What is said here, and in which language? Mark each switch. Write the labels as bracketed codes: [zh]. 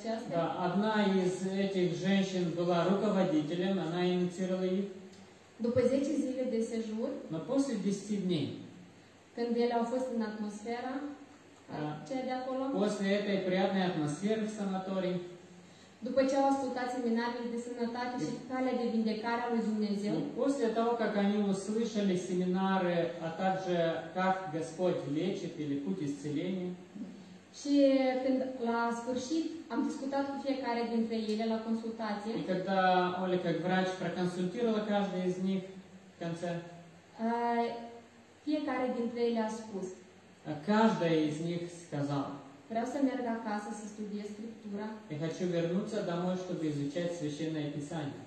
[ru] Да, одна из этих женщин была руководителем, она инициировала их. Но после 10 дней, после этой приятной атмосферы в санатории, [ro] după ce au ascultat seminarul de sănătate și calea de vindecare a lui Dumnezeu. [ru] После того, как они услышали семинары, а также как Господь лечит или путь исцеления. [ro] Și când la sfârșit am discutat cu fiecare dintre ele la consultație. [ru] И когда Оля как врач проконсультировала каждый из них в конце. [ro] Fiecare dintre ele a spus. [ru] Каждая из них сказала. [ro] Vreau să merg acasă să studiez Scriptura. [ru] И хочу вернуться домой, чтобы изучать Священное Писание.